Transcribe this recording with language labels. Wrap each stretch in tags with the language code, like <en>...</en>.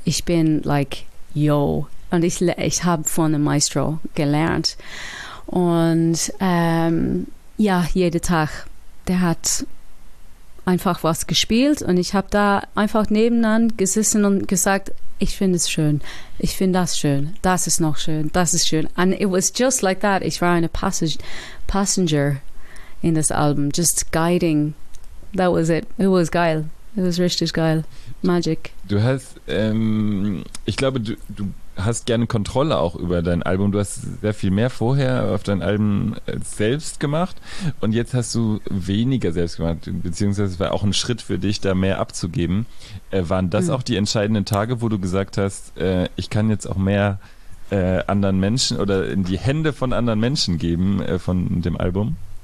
<de>Ich bin like, yo. Und ich habe von einem Maestro gelernt. Und ja, jeden Tag, der hat einfach was gespielt und ich habe da einfach nebenan gesessen und gesagt, ich finde es schön, ich finde das schön, das ist noch schön, das ist schön.</de> <en>And it was just like that,</en> <de>ich war eine Passenger in das Album,</de> <en>just guiding, that was it, it was geil, it was</en> <de>richtig geil,</de> <en>magic.</en> <de>Du hast, ich glaube, du hast gerne Kontrolle auch über dein Album. Du hast sehr viel mehr vorher auf dein Album selbst gemacht und jetzt hast du weniger selbst gemacht, beziehungsweise war auch ein Schritt für dich, da mehr abzugeben. Waren das auch die entscheidenden Tage, wo du gesagt hast, ich kann jetzt auch mehr anderen Menschen oder in die Hände von anderen Menschen geben von dem Album?</de>